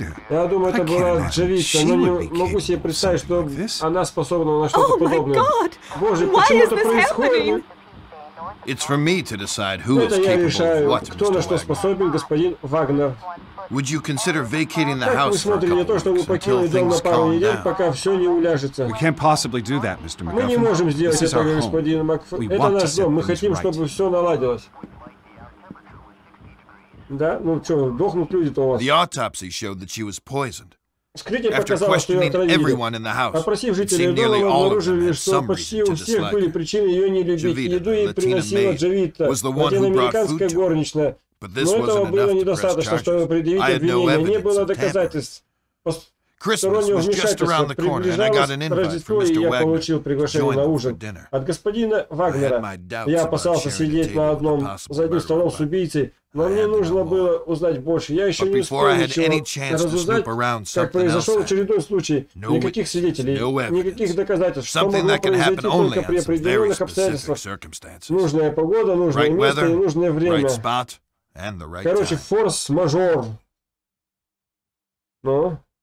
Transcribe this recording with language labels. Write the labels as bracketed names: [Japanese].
[Russian] Я думаю, это была Джавита, но не могу себе представить, что она способна на что-то подобное. Боже, почему это происходит? [English] It's for me to decide who is capable of what, [Russian] кто на что способен, господин Вагнер. [English] Would you consider vacating the house for a couple weeks until things calm down? We can't possibly do that, Mr. McGuffin. [Russian] Мы не можем сделать это, господин Макфарлейн. Это наш дом. Мы хотим, чтобы все наладилось. Да? Ну что, дохнут люди-то у вас. [English] The autopsy showed that she was poisoned. After questioning everyone in the house, it seemed nearly all of them had some reason to dislike her. [Russian] Джавита, [English] was the one who brought food to her. But this wasn't enough to press charges. I had no evidence of tampering. Christmas was just around the corner, and I got an invite from Mr. Wagner to join for dinner. I had my doubts about sharing a table with a possible murderer, but... [Russian] Но мне нужно было узнать больше. Я еще не успел ничего разузнать, как произошел очередной случай. Никаких свидетелей, никаких доказательств, что могло произойти только при определенных обстоятельствах. Нужная погода, нужное место и нужное время. Короче, форс-мажор. Ну?